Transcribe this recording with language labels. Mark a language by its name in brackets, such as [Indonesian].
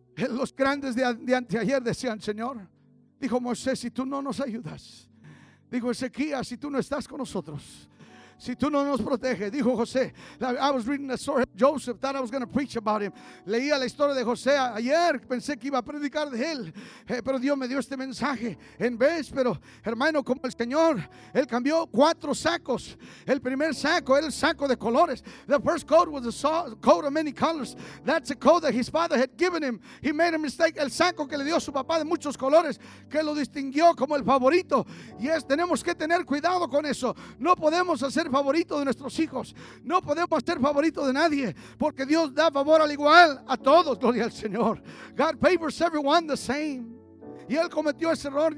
[Spanish] Los grandes de anteayer decían, Señor, dijo Moisés, si tú no nos ayudas. Dijo Ezequías, si tú no estás con nosotros. Si tú no nos proteges. Dijo José, [English] I was reading the story of Joseph, thought I was going to preach about him. [Spanish] Leía la historia de José ayer, pensé que iba a predicar de él, pero Dios me dio este mensaje en vez. Pero hermano, como el Señor, él cambió cuatro sacos. El primer saco era el saco de colores. [English] The first coat was a coat of many colors. That's a coat that his father had given him. He made a mistake. [Spanish] El saco que le dio su papá de muchos colores, que lo distinguió como el favorito. Y es, tenemos que tener cuidado con eso. No podemos hacer ser favorito de nuestros hijos, no podemos ser favorito de nadie, porque Dios da favor al igual a todos. Gloria al Señor. [English] God favors everyone the same. [Spanish] Y él cometió ese error.